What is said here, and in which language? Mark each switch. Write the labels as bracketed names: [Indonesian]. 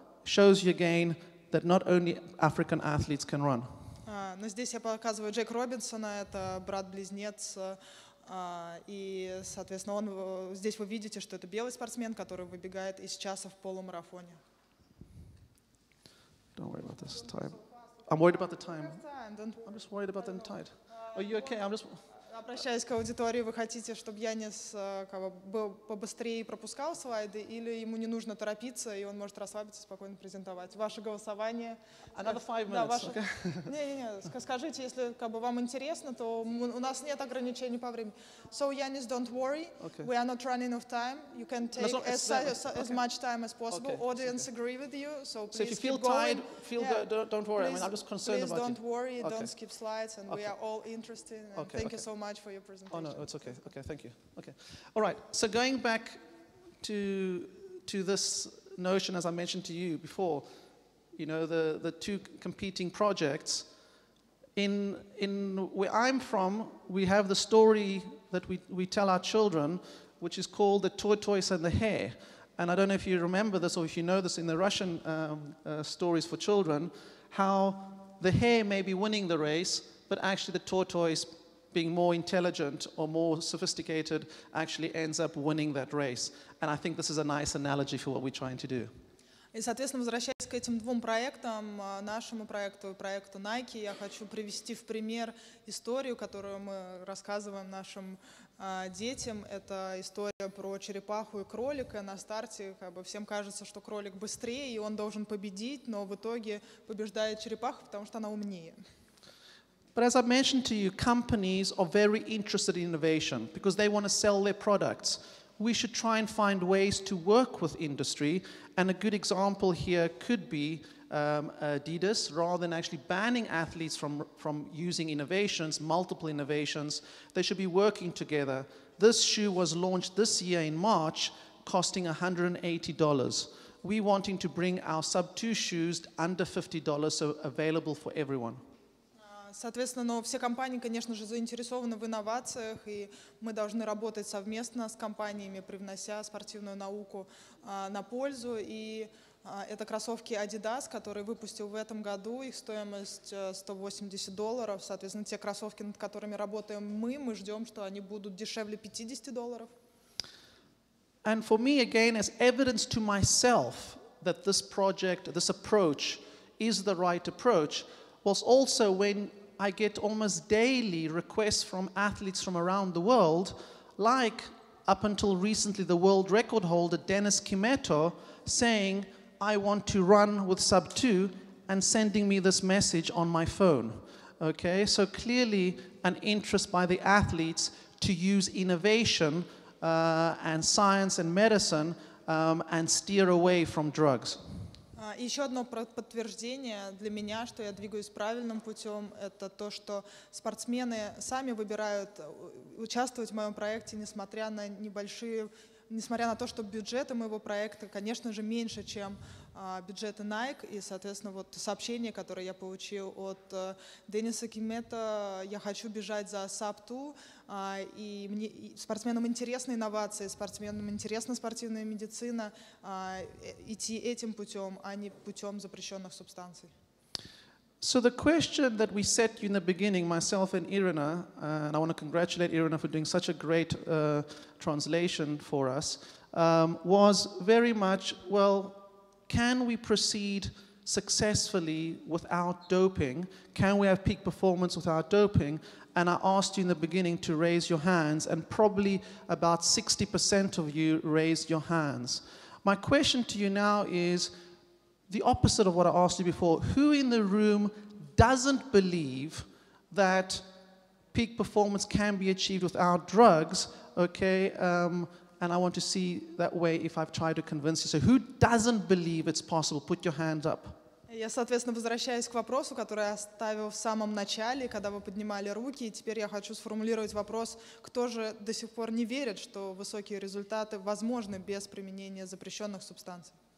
[English] Shows you again that not only African athletes can run. [Russian] Но здесь я показываю Джейк Робинсона, это брат-близнец, и, соответственно, он, здесь вы видите, что это белый спортсмен, который выбегает из часа в полумарафоне. [English] Don't worry about this time. I'm worried about the time. I'm just worried about the time. Are you okay? [Russian] Обращаясь к аудитории, вы хотите, чтобы Янис был побыстрее пропускал слайды, или ему не нужно торопиться, и он может расслабиться, спокойно презентовать? Ваше голосование... [English] Another five minutes, okay. [Russian] Не-не-не, скажите, если вам интересно, то у нас нет ограничений по времени. [English] So, Yanis, don't worry. Okay. We are not running out of time. You can take as much time as possible. Okay. Audience agree with you, so please keep going. So if you feel tired, feel good, don't worry. Please, I mean, I'm just concerned about you. Please don't worry, don't skip slides, and we are all interested, and thank you so much for your presentation. Oh, no, it's okay. Okay, thank you. Okay. All right, so going back to this notion, as I mentioned to you before, you know, the two competing projects, in where I'm from, we have the story that we tell our children, which is called the tortoise and the hare. And I don't know if you remember this or if you know this in the Russian stories for children, how the hare may be winning the race, but actually the tortoise, being more intelligent or more sophisticated, actually ends up winning that race. And I think this is a nice analogy for what we're trying to do. [Russian] И, соответственно, возвращаясь к этим двум проектам, нашему проекту и проекту Nike, я хочу привести в пример историю, которую мы рассказываем нашим детям. Это история про черепаху и кролика. На старте всем кажется, что кролик быстрее, и он должен победить, но в итоге побеждает черепаха, потому что она умнее. [English] But as I mentioned to you, companies are very interested in innovation because they want to sell their products. We should try and find ways to work with industry, and a good example here could be Adidas. Rather than actually banning athletes from using innovations, multiple innovations, they should be working together. This shoe was launched this year in March, costing $180. We wanting to bring our sub two shoes under $50, so available for everyone. [Russian] Соответственно, но все компании, конечно же, заинтересованы в инновациях, и мы должны работать совместно с компаниями, привнося спортивную науку на пользу. И это кроссовки Adidas, которые выпустил в этом году, их стоимость $180. Соответственно, те кроссовки, над которыми работаем мы ждем, что они будут дешевле $50. [English] And for me, again, as evidence to myself that this project, this approach is the right approach, was also when I get almost daily requests from athletes from around the world, like up until recently the world record holder Dennis Kimeto saying, I want to run with sub two and sending me this message on my phone. Okay, so clearly an interest by the athletes to use innovation and science and medicine and steer away from drugs. [Russian] Еще одно подтверждение для меня, что я двигаюсь правильным путем, это то, что спортсмены сами выбирают участвовать в моем проекте, несмотря на то, что бюджеты моего проекта, конечно же, меньше, чем бюджеты Nike. И, соответственно, вот сообщение, которое я получил от Дениса Кимета, я хочу бежать за Sub-2, и мне, спортсменам интересны инновации, спортсменам интересна спортивная медицина, идти этим путем, а не путем запрещенных субстанций. [English] So the question that we set you in the beginning, myself and Irina, and I want to congratulate Irina for doing such a great translation for us, was very much, well, can we proceed successfully without doping? Can we have peak performance without doping? And I asked you in the beginning to raise your hands, and probably about 60% of you raised your hands. My question to you now is the opposite of what I asked you before. Who in the room doesn't believe that peak performance can be achieved without drugs, okay? And I want to see that way if I've tried to convince you. So who doesn't believe it's possible? Put your hand up. [Russian] Я, соответственно, возвращаюсь к вопросу, который я оставил в самом начале, когда вы поднимали руки, и теперь я хочу сформулировать вопрос, кто же до сих пор не верит, что высокие результаты возможны без применения запрещенных субстанций?